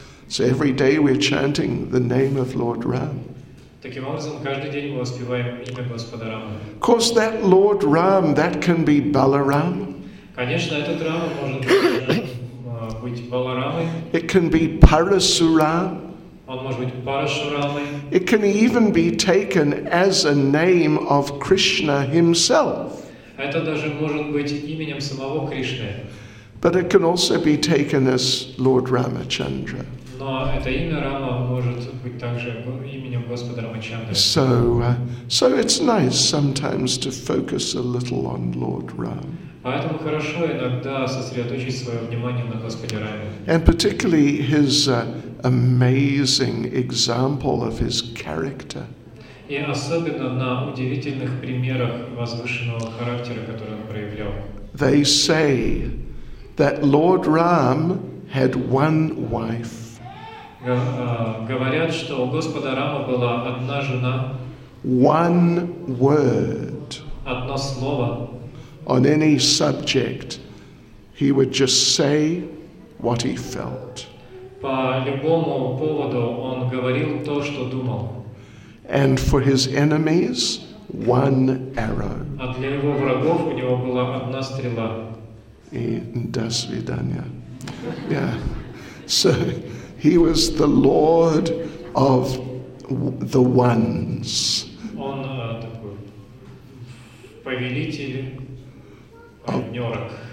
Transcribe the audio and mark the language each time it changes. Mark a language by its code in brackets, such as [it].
[en] So every day we're chanting the name of Lord Ram. [ru] Таким образом, каждый день мы воспеваем имя Господа Рамы. [en] Of course, that Lord Ram, that can be Balaram. [ru] Конечно, этот Рама может быть быть Баларамой. [en] It can be Parasuram. [ru] Он может быть Парашурамой. [en] It can even be taken as a name of Krishna himself. [ru] Это даже может быть именем самого Кришны. [en] But it can also be taken as Lord Ramachandra. [ru] Но это имя Рама может быть также именем Господа Рамачандры. [en] So it's nice sometimes to focus a little on Lord Ram. [ru] Поэтому хорошо иногда сосредоточить свое внимание на Господе Раме. [en] And particularly his amazing example of his character. [ru] И особенно на удивительных примерах возвышенного характера, который он проявлял. [en] They say that Lord Ram had one wife. [ru] Говорят, что у Господа Рама была одна жена. [en] One word. [ru] Одно слово. [en] On any subject, he would just say what he felt. [ru] По любому поводу он говорил то, что думал. [en] And for his enemies, one arrow. [ru] А для его врагов у него была одна стрела. И до свидания. [en] Yeah. So he was the Lord of the ones. [ru] Он такой повелитель партнерок.